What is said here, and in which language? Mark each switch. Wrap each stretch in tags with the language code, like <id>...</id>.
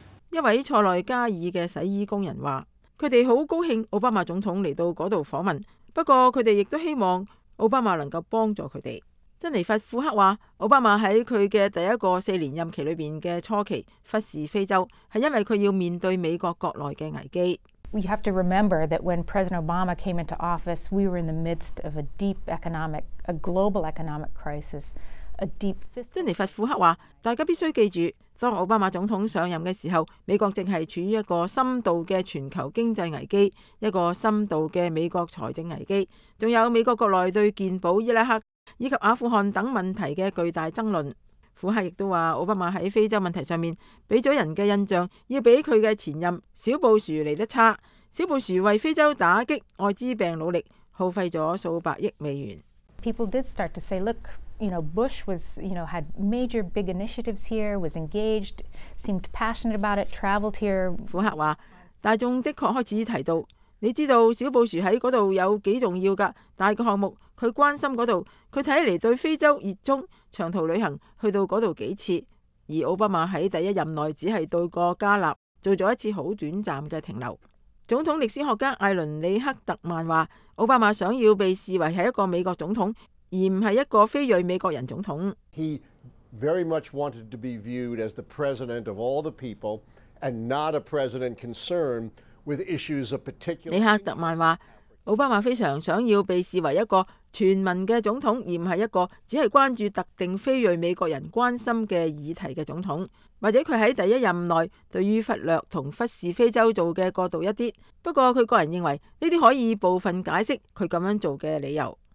<zh>一位塞内加尔的洗衣工人说，他们很高兴奥巴马总统来到那里访问，不过他们亦都希望奥巴马能够帮助他们。珍妮佛·库克说，奥巴马在他的第一个四年任期里面的初期忽视非洲，是因为他要面对美国国内的危机。</zh> <en>We have to remember that when President Obama came into office, we were in the midst of a deep economic, a global economic crisis, a deep fiscal.</en> <zh>珍妮佛·库克说，大家必须记住，当奥巴马总统上任的时候，美国正是处于一个深度的全球经济危机，一个深度的美国财政危机，还有美国国内对健保、伊拉克以及阿富汗等问题的巨大争论。库克亦都说，奥巴马在非洲问题上面给了人的印象要比他的前任小布殊来得差。小布殊为非洲打击艾滋病努力，耗费了数百亿美元。</zh> <en>People did start to say, look, you know, Bush was, you know, had major big initiatives here, was engaged, seemed passionate about it, traveled here.</en> <zh>库克说，大众的确开始提到，你知道小布殊在那里有几重要的大的项目，他关心那里，他看来对非洲热衷，长途旅行去到那里几次。而奥巴马在第一任内只是到过加纳，做了一次很短暂的停留。总统历史学家艾伦·里克特曼说，奥巴马想要被视为是一个美国总统，而不是一个非裔美国人总统。</zh> <en>He very much wanted to be viewed as the president of all the people and not a president concerned with issues of particular.</en> <zh>里克特曼说，奥巴马非常想要被视为一个全民的总统，而不是一个只是关注特定非裔美国人关心的议题的总统。或者他在第一任内对于忽略和忽视非洲做的过度一些，不过他个人认为这些可以部分解释他这样做的理由。</zh>